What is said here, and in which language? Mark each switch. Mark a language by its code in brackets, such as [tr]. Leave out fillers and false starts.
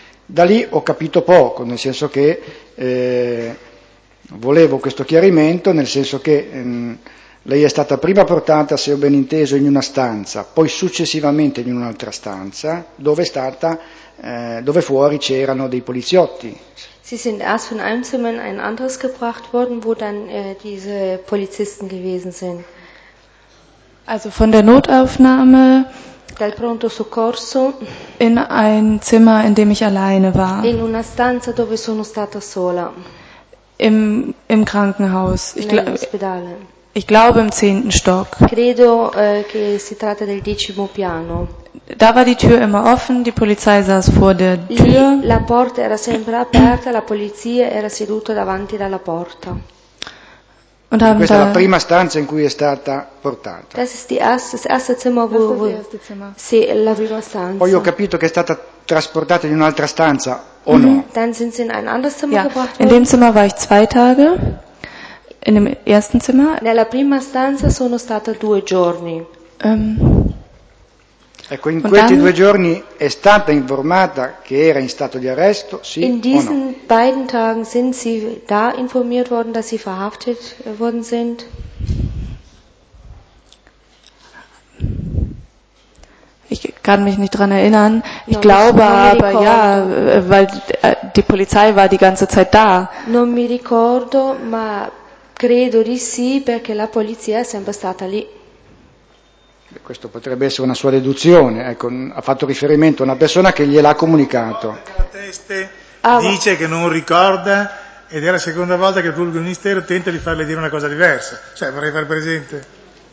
[it] Da lì ho capito poco, nel senso che volevo questo chiarimento, nel senso che lei è stata prima portata, se ho ben inteso, in una stanza, poi successivamente in un'altra stanza, dove è stata, dove fuori c'erano dei poliziotti. [de] Sie sind erst von einem Zimmer in ein anderes gebracht worden, wo dann diese Polizisten gewesen sind. Also von der Notaufnahme [it] dal pronto soccorso [de] in ein Zimmer, in dem ich alleine war. [it] In una stanza dove sono stata sola. [de] Im Krankenhaus. [it] Nell'ospedale. [de] Ich glaube im 10. Stock. [it] Credo che si tratta del 10° piano. [de] Da war die Tür immer offen, die Polizei saß vor der Tür. [it] Lì, la porta era sempre aperta, la polizia era seduta davanti alla porta. [de] Und haben [it] questa è la prima stanza in cui è stata portata. [de] Das ist das erste Zimmer, wo [it] sì, la prima stanza. Poi ho capito che è stata trasportata in un'altra stanza o no? [de] Dann sind sie in ein anderes Zimmer gebracht worden. In dem Zimmer war ich 2 Tage. In dem ersten Zimmer. [it] Nella prima stanza sono stata 2 giorni. Ecco, in questi 2 giorni è stata informata che era in stato di arresto, sì o no? [de] In diesen beiden Tagen sind sie da informiert worden, dass sie verhaftet worden sind? Ich kann mich nicht daran erinnern. Ich glaube aber, ja, weil die Polizei war die ganze Zeit da. [it] Non mi ricordo, ma credo di sì, perché la polizia è sempre stata lì. Questo potrebbe essere una sua deduzione, ecco, ha fatto riferimento a una persona che gliel'ha comunicato. Dice che non ricorda ed è la seconda volta che il pubblico ministero tenta di farle dire una cosa diversa, cioè vorrei far presente.